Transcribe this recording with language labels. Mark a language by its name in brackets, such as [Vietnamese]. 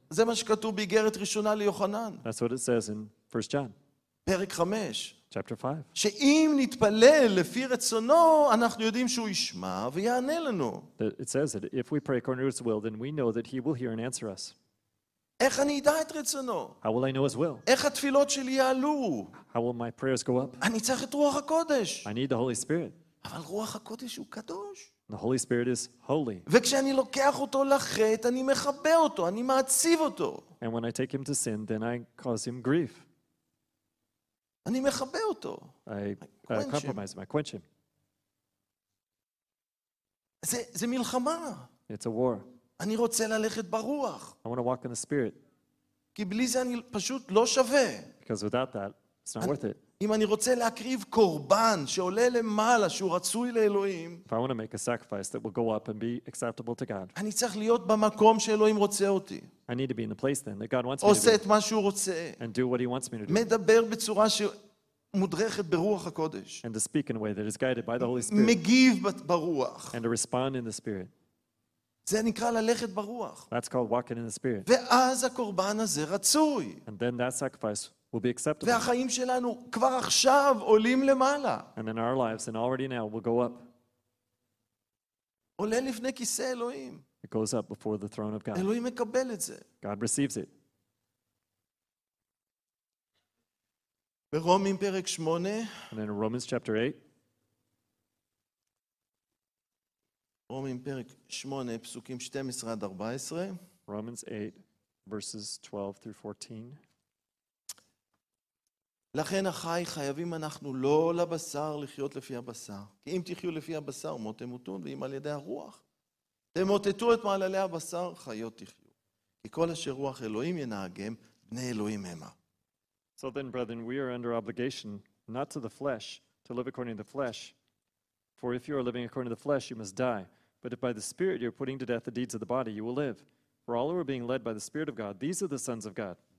[Hebrew] זה מה שכתוב באיגרת ראשונה ליוחנן. [English] That's what it says in 1 John. [Hebrew] פרק 5. [English] Chapter 5. [Hebrew] שאם נתפלל לפי רצונו, אנחנו יודעים שהוא ישמע ויענה לנו. [English] It says that if we pray according to his will, then we know that he will hear and answer us. [Hebrew] איך אני אדע את רצונו? [English] How will I know his will? [Hebrew] איך התפילות שלי יעלו? [English] How will my prayers go up? [Hebrew] אני צריך את רוח הקודש. [English] I need the Holy Spirit. [Hebrew] אבל רוח הקודש הוא קדוש. [English] The Holy Spirit is holy. [Hebrew] וכשאני לוקח אותו לחטא, אני מחבא אותו, אני מעציב אותו. [English] And when I take him to sin, then I cause him grief. [Hebrew] אני מחבא אותו. [English] I compromise him. I quench him. [Hebrew] זה מלחמה. [English] It's a war. [Hebrew] אני רוצה ללכת ברוח. [English] I want to walk in the spirit. [Hebrew] כי בלי זה אני פשוט לא שווה. [English] Because without that, it's not worth it. [Hebrew] אם אני רוצה להקריב קורבן שעולה למעלה, שהוא רצוי לאלוהים, [English] If I want to make a sacrifice that will go up and be acceptable to God, [Hebrew] אני צריך להיות במקום שאלוהים רוצה אותי. [English] I need to be in the place then that God wants me to be. [Hebrew] עושה את מה שהוא רוצה. [English] And do what he wants me to do. [Hebrew] מדבר בצורה שמודרכת ברוח הקודש. [English] And to speak in a way that is guided by the Holy Spirit. [Hebrew] מגיב ברוח. [English] And to respond in the spirit. [Hebrew] זה נקרא ללכת ברוח. [English] That's called walking in the spirit. [Hebrew] ואז הקורבן הזה רצוי. [English] And then that sacrifice will be acceptable. [Hebrew] והחיים שלנו כבר עכשיו עולים למעלה. [English] And in our lives and already now will go up. [Hebrew] עולה לפני כיסא אלוהים. [English] It goes up before the throne of God. [Hebrew] אלוהים מקבל את זה. [English] God receives it. [Hebrew] ברומים פרק 8. [English] And in Romans chapter 8. [Hebrew] רומים פרק 8 פסוקים 12 עד 14 [English] Romans 8 verses 12 through 14 [Hebrew] לכן אחי חייבים אנחנו לא לבשר לחיות לפי הבשר כי אם תחיו לפי הבשר מות תמותון ואם על ידי הרוח תמוטטו את מעללי הבשר חיות תחיו כי כל אשר רוח אלוהים ינהגם בני אלוהים המה [English] So then brethren we are under obligation not to the flesh to live according to the flesh For if you are living according to the flesh, you must die. But if by the Spirit you are putting to death the deeds of the body, you will live. For all who are being led by the Spirit of God, these are the sons of God.